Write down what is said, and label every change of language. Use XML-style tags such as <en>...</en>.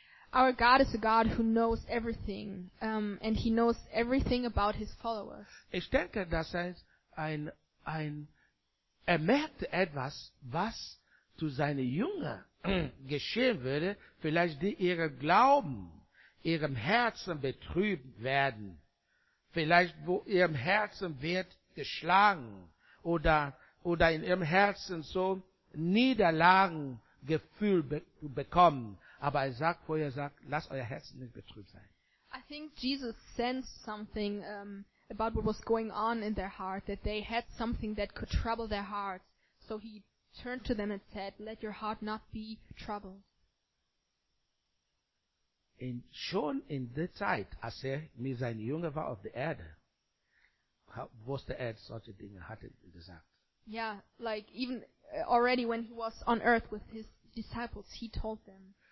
<en>Our God is a God who knows everything, and he knows everything about his followers.</en> <de>Ich denke, dass er merkte etwas, was zu seinen Jüngern geschehen würde, vielleicht die ihrem Glauben, ihrem Herzen betrübt werden, vielleicht wo ihrem Herzen wird geschlagen oder in ihrem Herzen so Niederlagengefühl bekommen. Aber er sagt vorher, lass euer Herz nicht betrübt sein.</de> <en>I think Jesus sensed something about what was going on in their heart, that they had something that could trouble their hearts. So he turned to them and said, let your heart not be troubled.</en> <de>Schon in der Zeit, als er mit seinen Jüngern war auf der Erde, wusste er solche Dinge, hat er gesagt.</de> <en>Yeah, like even already when he was on earth with his disciples, he told them.</en>